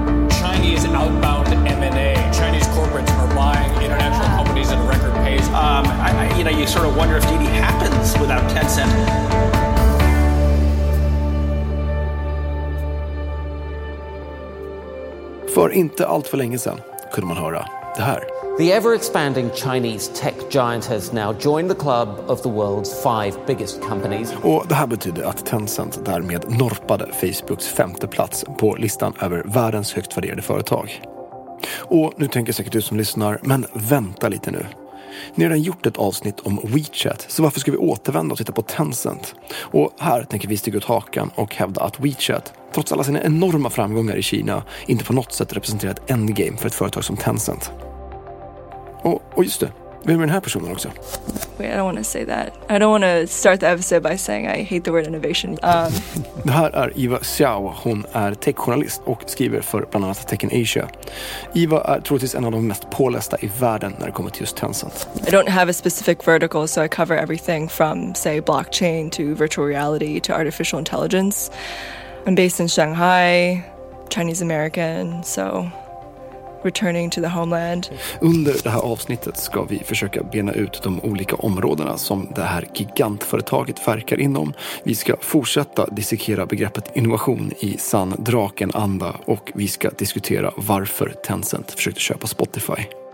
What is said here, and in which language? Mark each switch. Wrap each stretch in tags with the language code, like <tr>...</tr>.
<en>Chinese outbound M&A. Chinese corporates are buying international companies at record pace. You sort of wonder if DD happens without Tencent.</en> <sv>För inte allt för länge sedan kunde man höra det här.</sv> <en>The ever-expanding Chinese tech giant has now joined the club of the world's five biggest companies.</en> <sv>Och det här betyder att Tencent därmed norpade Facebooks femte plats på listan över världens högst värderade företag. Och nu tänker säkert du som lyssnar, men vänta lite nu. Ni har redan gjort ett avsnitt om WeChat, så varför ska vi återvända och titta på Tencent? Och här tänker vi stiga ut hakan och hävda att WeChat, trots alla sina enorma framgångar i Kina, inte på något sätt representerar ett endgame för ett företag som Tencent. Och just det, vi är med den här personen också.</sv> <en>Wait, I don't want to say that. I don't want to start the episode by saying I hate the word innovation.</en> <sv>Det här är Eva Xiao. Hon är techjournalist och skriver för bland annat Tech in Asia. Eva är troligtvis en av de mest pålästa i världen när det kommer till just Tencent.</sv> <en>I don't have a specific vertical, so I cover everything from, say, blockchain to virtual reality to artificial intelligence. I'm based in Shanghai, Chinese American, so returning to the homeland.</en> <sv>Under det här avsnittet ska vi försöka bena ut de olika områdena som det här gigantföretaget verkar inom. Vi ska fortsätta dissekera begreppet innovation i sann draken anda och vi ska diskutera varför Tencent försökte köpa Spotify.</sv>